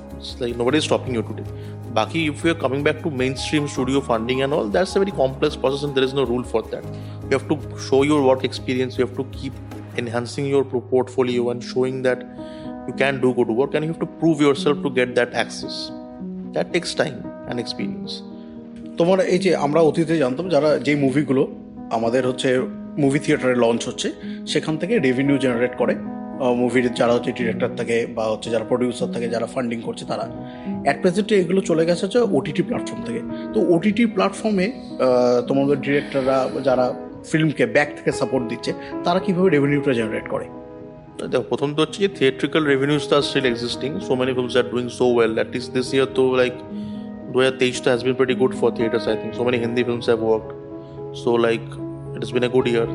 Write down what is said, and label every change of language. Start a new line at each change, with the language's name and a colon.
English: It's like nobody is stopping you today. Baki, if you're coming back to mainstream studio funding and all, that's a very complex process and there is no rule for that. You have to show your work experience. You have to keep enhancing your portfolio and showing that you can do good work, and you have to prove yourself to get that access. That takes time and experience.
Bangla: তোমার এই যে আমরা অতীতে জানতাম যারা যে মুভিগুলো আমাদের হচ্ছে মুভি থিয়েটারে লঞ্চ হচ্ছে সেখান থেকে রেভিনিউ জেনারেট করে মুভির যারা হচ্ছে ডিরেক্টর থাকে বা হচ্ছে যারা প্রডিউসার থাকে যারা ফান্ডিং করছে তারা অ্যাট প্রেজেন্ট এগুলো চলে গেছে হচ্ছে ওটিটি প্ল্যাটফর্ম থেকে তো ওটিটি প্ল্যাটফর্মে তোমাদের ডিরেক্টররা যারা ফিল্মকে ব্যাক থেকে সাপোর্ট দিচ্ছে তারা কীভাবে রেভিনিউটা জেনারেট করে দেখো প্রথম তো হচ্ছে যে
English: Theatrical revenues তো still existing so many films are doing so well at least this year তো like 2023 has been pretty good for theaters, I think. So many Hindi films have worked. So, like, it has been a good year.